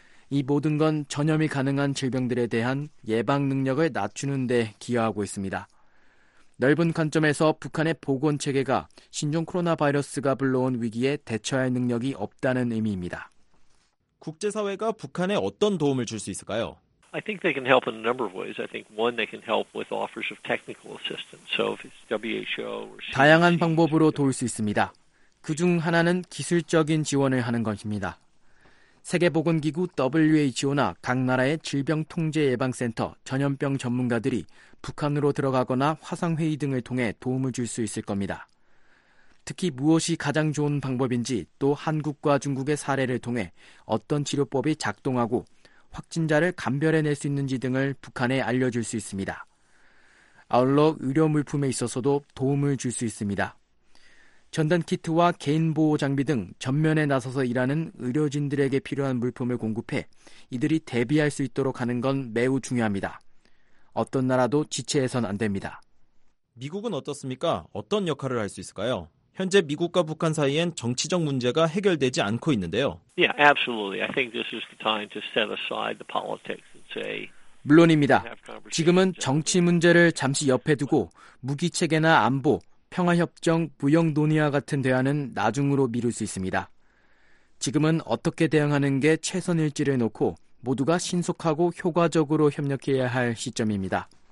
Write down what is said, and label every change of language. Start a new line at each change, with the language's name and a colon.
Korean: 이 모든 건 전염이 가능한 질병들에 대한 예방 능력을 낮추는 데 기여하고 있습니다. 넓은 관점에서 북한의 보건 체계가 신종 코로나 바이러스가 불러온 위기에 대처할 능력이 없다는 의미입니다. 국제사회가 북한에 어떤 도움을 줄 수 있을까요?
English: I think they can help in a number of ways. I think one they can help with offers of technical assistance. So if it's WHO or
Korean: 다양한 방법으로 도울 수 있습니다. 그중 하나는 기술적인 지원을 하는 것입니다. 세계보건기구 WHO나 각 나라의 질병통제예방센터 전염병 전문가들이 북한으로 들어가거나 화상회의 등을 통해 도움을 줄 수 있을 겁니다. 특히 무엇이 가장 좋은 방법인지 또 한국과 중국의 사례를 통해 어떤 치료법이 작동하고 확진자를 감별해낼 수 있는지 등을 북한에 알려줄 수 있습니다. 아울러 의료물품에 있어서도 도움을 줄 수 있습니다. 전단키트와 개인보호장비 등 전면에 나서서 일하는 의료진들에게 필요한 물품을 공급해 이들이 대비할 수 있도록 하는 건 매우 중요합니다. 어떤 나라도 지체해선 안 됩니다. 미국은 어떻습니까? 어떤 역할을 할 수 있을까요? 현재 미국과 북한 사이엔 정치적 문제가 해결되지 않고 있는데요.
English: Yeah, absolutely. I think this is the time to set aside the politics and say.
Korean: 물론입니다. 지금은 정치 문제를 잠시 옆에 두고 무기 체계나 안보, 평화협정, 무역 논의와 같은 대화는 나중으로 미룰 수 있습니다. 지금은 어떻게 대응하는 게 최선일지를 놓고 모두가 신속하고 효과적으로 협력해야 할 시점입니다.